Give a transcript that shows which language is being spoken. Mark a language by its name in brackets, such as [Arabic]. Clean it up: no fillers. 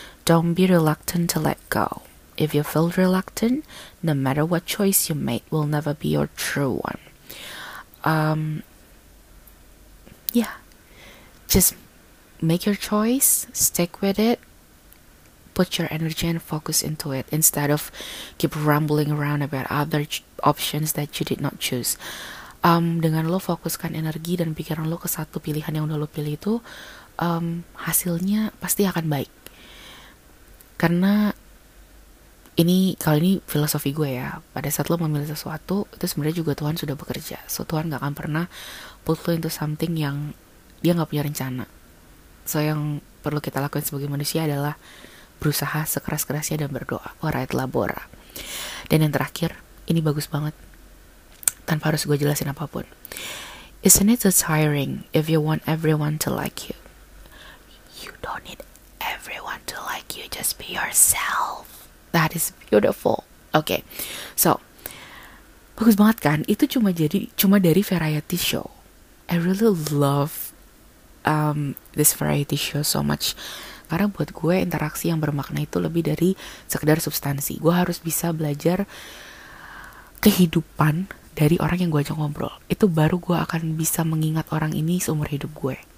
[English] Don't be reluctant to let go. If you feel reluctant, no matter what choice you made will never be your true one. Yeah. Just make your choice, stick with it, put your energy and focus into it instead of keep rambling around about other options that you did not choose. [Indonesian] Dengan lo fokuskan energi dan pikiran lo ke satu pilihan yang udah lo pilih itu, hasilnya pasti akan baik. Karena ini, kalau ini filosofi gue ya, pada saat lo memilih sesuatu, itu sebenarnya juga Tuhan sudah bekerja. So Tuhan gak akan pernah put lo [English] into something [Indonesian] yang dia gak punya rencana. So yang perlu kita lakuin sebagai manusia adalah berusaha sekeras-kerasnya dan berdoa. [Latin] Ora et labora. [Indonesian] Dan yang terakhir, ini bagus banget, tanpa harus gue jelasin apapun. [English] Isn't it so tiring if you want everyone to like you? You don't need everyone to like you. Just be yourself. That is beautiful. Okay. [Indonesian] So, bagus banget kan? Itu cuma dari variety show. [English] I really love this variety show so much. [Indonesian] Karena buat gue interaksi yang bermakna itu lebih dari sekedar substansi. Gue harus bisa belajar kehidupan dari orang yang gue ajak ngobrol. Itu baru gue akan bisa mengingat orang ini seumur hidup gue.